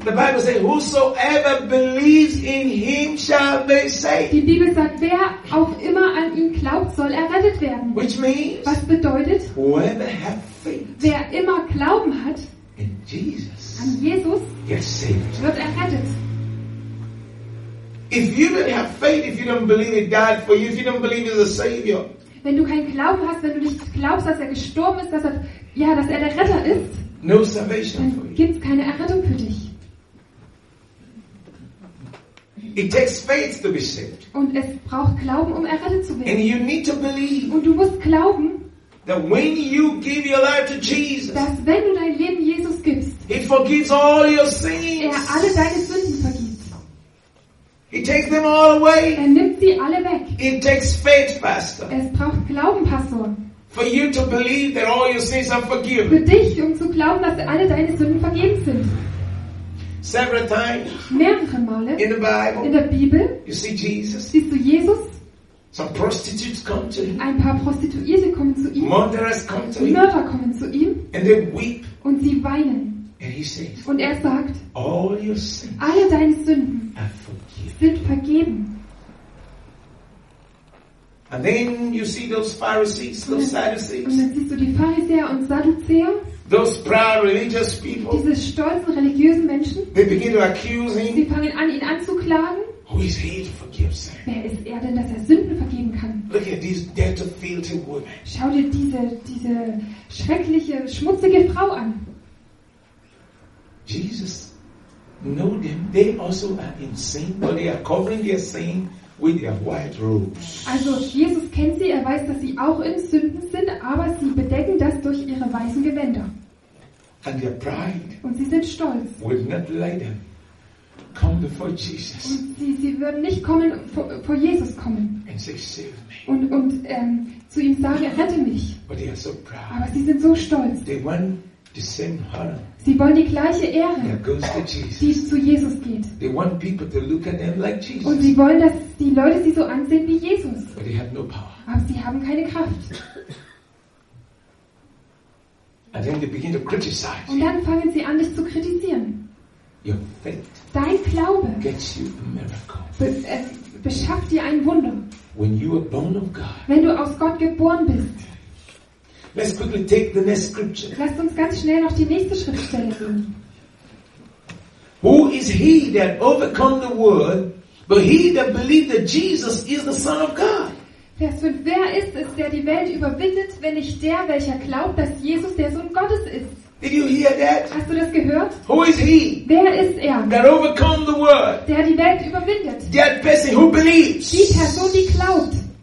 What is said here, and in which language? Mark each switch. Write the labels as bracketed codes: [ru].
[en] The Bible says, whosoever believes in him shall be saved. [de] Die Bibel sagt, wer auch immer an ihn glaubt, soll errettet werden. [en] Which means, [de] was bedeutet, [en] whoever have faith, [de] wer immer Glauben hat [en] in Jesus, [de] an Jesus, [en] gets saved. [de] Wird errettet. [en] If you don't have faith, if you don't believe he died for you, if you don't believe he's a savior, [de] wenn du keinen Glauben hast, wenn du nicht glaubst, dass er gestorben ist, dass er, ja, dass er der Retter ist, [en] no salvation for you. [de] Gibt's keine Errettung für dich. [en] It takes faith to be saved. [de] Und es braucht Glauben, um errettet zu werden. [en] And you need to believe. [de] Und du musst glauben, [en] that when you give your life to Jesus, [de] dass wenn du dein Leben Jesus gibst, [en] he forgives all your sins. [de] Er alle deine Sünden vergibt. [en] He takes them all away. [de] Er nimmt sie alle weg. [en] It takes faith, Pastor. [de] Es braucht Glauben, Pastor. [en] For you to believe that all your sins are forgiven. [de] Für dich, um zu glauben, dass alle deine Sünden vergeben sind. [en] Several times. [de] Mehrere Male. [en] In the Bible. [de] In der Bibel. [en] You see Jesus. [de] Siehst du Jesus? [en] Some prostitutes come to him. [de] Ein paar Prostituierte kommen zu ihm. [en] Murderers come to him. [de] Mörder kommen zu ihm. [en] And they weep. [de] Und sie weinen. [en] And he says. [de] Und er sagt. [en] All your sins. [de] Alle deine Sünden. [en] Are forgiven. [de] Sind vergeben. [en] And then you see those Pharisees, those Sadducees. [de] Und dann siehst du die Pharisäer und Sadduzäer. [en] Those proud religious people. [de] Diese stolzen religiösen Menschen. [en] They begin to accuse him. [de] Sie fangen an, ihn anzuklagen. [en] Who is he to forgive sin? [de] Wer ist er denn, dass er Sünden vergeben kann? [en] Look at these dirty, filthy women. [de] Schau dir diese schreckliche, schmutzige Frau an. [en] Jesus knew them. They also are insane, but they are covering their sin. With their white robes. [de] Also Jesus kennt sie, er weiß, dass sie auch in Sünden sind, aber sie bedecken das durch ihre weißen Gewänder. [en] And their pride. [de] Und sie sind stolz. [en] Would not let them come before Jesus. [de] Und sie würden nicht kommen vor Jesus kommen. [en] And say, save me. [de] Und zu ihm sagen, rette mich. [en] But they are so proud. [de] Aber sie sind so stolz. [en] They want the same honor. [de] Sie wollen die gleiche Ehre, die zu Jesus geht. [en] They want people to look at them like Jesus. [de] Und sie wollen, dass die Leute sie so ansehen wie Jesus. [en] But they have no power. [de] Aber sie haben keine Kraft. [en] And then they begin to criticize. [de] Und dann fangen sie an, dich zu kritisieren. [en] Your faith. [de] Dein Glaube [en] gets you a miracle. [de] Beschafft dir ein Wunder. [en] When you are born of God. [de] Wenn du aus Gott geboren bist. [en] Let's quickly take the next scripture. [de] Lasst uns ganz schnell noch die nächste Schriftstelle sehen. [en] Who is he that overcome the world, but he that believed that Jesus is the Son of God? [de] Vers 5. Wer ist es, der die Welt überwindet, wenn nicht der, welcher glaubt, dass Jesus der Sohn Gottes ist? [en] Did you hear that? [de] Hast du das gehört? [en] Who is he? [de] Wer ist er? [en] That overcome the world. [de] Der die Welt überwindet. [en] That person who believes. [de] Die Person, die glaubt.